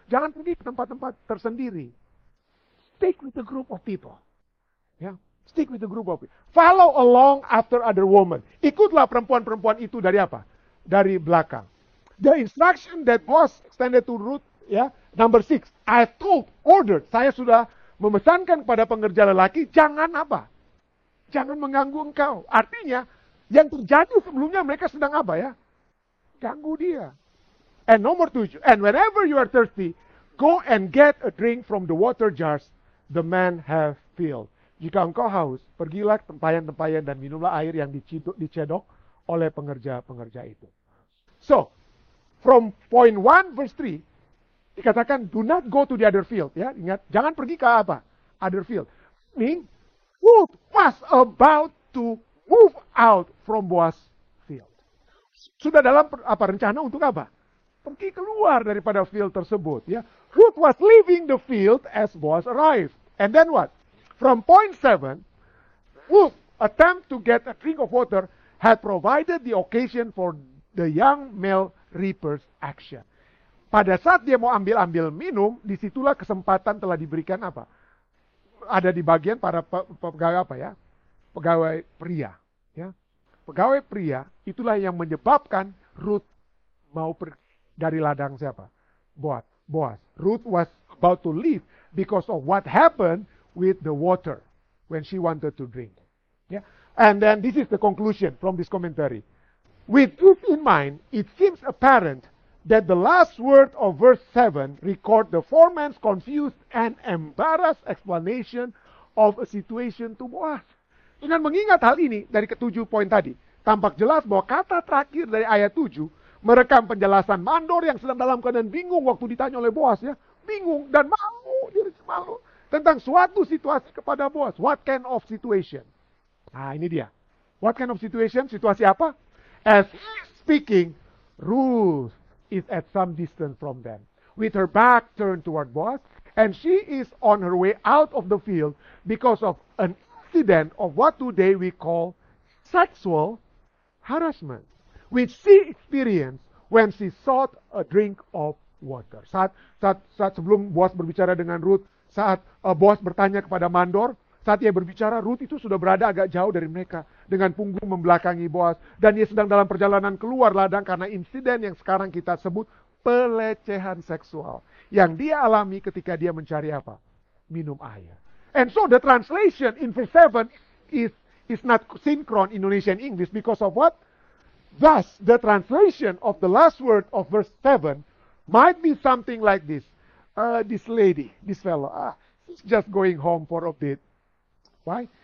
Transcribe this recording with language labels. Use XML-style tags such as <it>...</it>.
<id>Jangan pergi ke tempat-tempat tersendiri.</id> <en>Stick with the group of people. Yeah. Stick with the group of people. Follow along after other woman.</en> <id>Ikutlah perempuan-perempuan itu dari apa? Dari belakang.</id> <en>The instruction that was extended to Ruth, yeah, number six. Ordered.</en> <id>Saya sudah memesankan kepada pengerja lelaki, jangan apa? Jangan mengganggu engkau. Artinya, yang terjadi sebelumnya mereka sedang apa ya? Ganggu dia. And nomor tujuh.</id> <en>And whenever you are thirsty, go and get a drink from the water jars the man have filled.</en> <id>Jika engkau haus, pergilah ke tempayan-tempayan dan minumlah air yang dicedok oleh pengerja-pengerja itu.</id> <en>So, from point one, verse three,</en> <id>dikatakan,</id> <en>do not go to the other field.</en> <id>Ya, ingat, jangan pergi ke apa?</id> <en>Other field. Meaning, Ruth was about to move out from Boaz's field.</en> <id>Sudah dalam apa rencana untuk apa? Pergi keluar daripada field tersebut. Ya.</id> <en>Ruth was leaving the field as Boaz arrived. And then what? From point seven, Ruth attempt to get a drink of water had provided the occasion for the young male reaper's action.</en> <id>Pada saat dia mau ambil minum, disitulah kesempatan telah diberikan apa? Ada di bagian para pegawai apa ya? Pegawai pria, ya? Pegawai pria itulah yang menyebabkan Ruth mau pergi dari ladang siapa? Boaz.</id> <en>Ruth was about to leave because of what happened with the water when she wanted to drink. Ya? And then this is the conclusion from this commentary. With this in mind, it seems apparent that the last word of verse 7 record the foreman's confused and embarrassed explanation of a situation to Boaz.</en> <id>Dengan mengingat hal ini dari ketujuh poin tadi, tampak jelas bahwa kata terakhir dari ayat 7 merekam penjelasan mandor yang sedang dalam keadaan bingung waktu ditanya oleh Boaz, ya. Bingung dan malu tentang suatu situasi kepada Boaz.</id> <en>What kind of situation?</en> <id>Nah, ini dia.</id> <en>What kind of situation?</en> <id>Situasi apa?</id> <en>As speaking, Ruth is at some distance from them, with her back turned toward Boaz, and she is on her way out of the field because of an incident of what today we call sexual harassment, which she experienced when she sought a drink of water.</en> <id>Saat sebelum Boaz berbicara dengan Ruth, saat Boaz bertanya kepada mandor, saat ia berbicara, Ruth itu sudah berada agak jauh dari mereka, dengan punggung membelakangi Boaz. Dan ia sedang dalam perjalanan keluar ladang karena insiden yang sekarang kita sebut pelecehan seksual. Yang dia alami ketika dia mencari apa? Minum air.</id> <en>And so the translation in verse 7 is not synchron Indonesian English because of what? Thus, the translation of the last word of verse 7 might be something like this. This fellow, he's just going home for a bit. Why?</en>